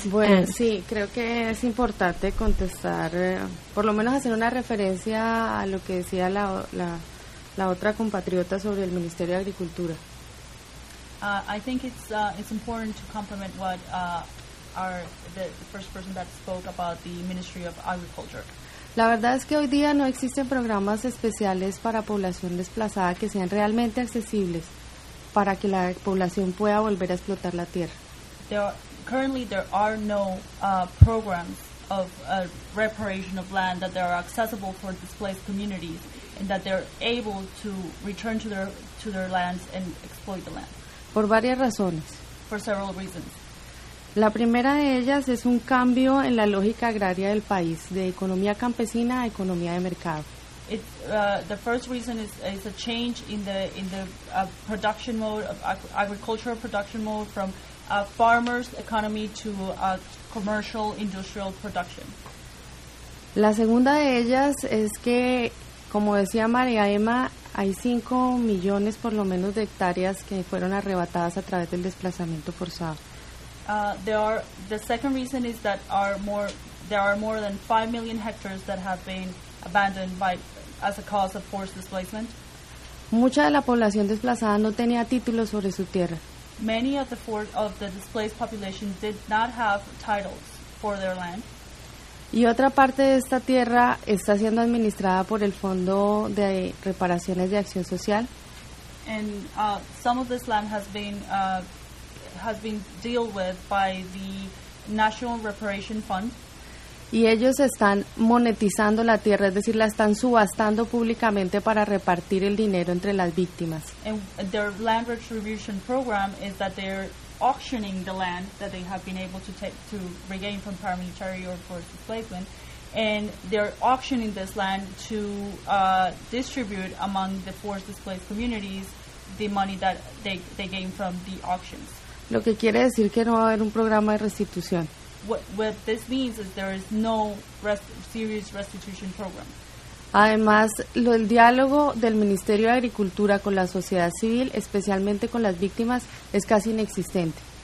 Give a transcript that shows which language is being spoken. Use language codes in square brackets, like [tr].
[es] Bueno, and sí, creo que es importante contestar, por lo menos hacer una referencia a lo que decía la otra compatriota sobre el Ministerio de Agricultura. [en] I think it's important to complement what the first person that spoke about the Ministry of Agriculture. [es] La verdad es que hoy día no existen programas especiales para población desplazada que sean realmente accesibles para que la población pueda volver a explotar la tierra. [en] There are no programs of reparation of land that are accessible for displaced communities and that they're able to return to their lands and exploit the land. [es] Por varias razones. [en] For several reasons. [es] La primera de ellas es un cambio en la lógica agraria del país, de economía campesina a economía de mercado. [en] The first reason is a change in the production mode, of agricultural production mode, from a farmer's economy to a commercial industrial production. [es] La segunda de ellas es que como decía María Emma, hay 5 millones por lo menos de hectáreas que fueron arrebatadas a través del desplazamiento forzado. [en] There are more than 5 million hectares that have been abandoned by as a cause of forced displacement. [es] Mucha de la población desplazada no tenía título sobre su tierra. [en] Many of the displaced population did not have titles for their land. [es] Y otra parte de esta tierra está siendo administrada por el Fondo de Reparaciones de Acción Social. [en] And some of this land has been dealt with by the National Reparation Fund. [es] Y ellos están monetizando la tierra, es decir, la están subastando públicamente para repartir el dinero entre las víctimas. [en] And their land retribution program is that they're auctioning the land that they have been able to take to regain from paramilitary or forced displacement, and they're auctioning this land to distribute among the forced displaced communities the money that they gain from the auctions. [es] Lo que quiere decir que no va a haber un programa de restitución. [en] What this means is there is no serious restitution program. [es] Además, el diálogo del Ministerio de Agricultura con la sociedad civil, especialmente con las víctimas, es casi inexistente.